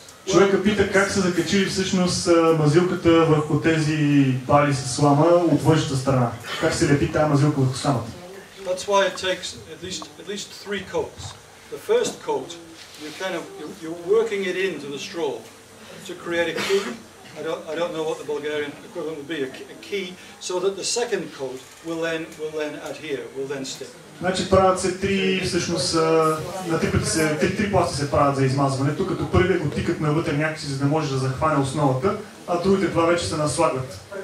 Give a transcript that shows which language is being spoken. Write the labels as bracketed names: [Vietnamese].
[Bulgarian] Човека пита как са закачили всъщност мазилката върху тези бали с слама от външната страна. Как се лепи тази мазилка върху самата? [English] That's why it takes at least three coats. The first coat, you're working it into the straw to create a cube, I don't know what the Bulgarian equivalent would be, a key, so that the second coat will then adhere, will then stick. [Bulgarian] Значи правят се три, всъщност на три пласта се правят за измазването, като първият го тикат навътре някакси, за да може да захване основата, а другите два вече се наслагват.